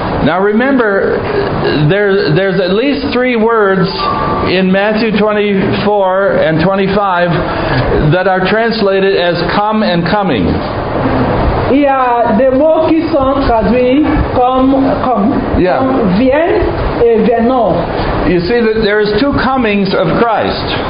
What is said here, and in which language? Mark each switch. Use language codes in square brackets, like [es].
[en] Now remember, there's at least three words in Matthew 24 and 25 that are translated as come and coming. [fr] Il y a des mots qui sont traduits comme [en] yeah. [fr] Comme vient et venant. [en] You see that there is two comings of Christ.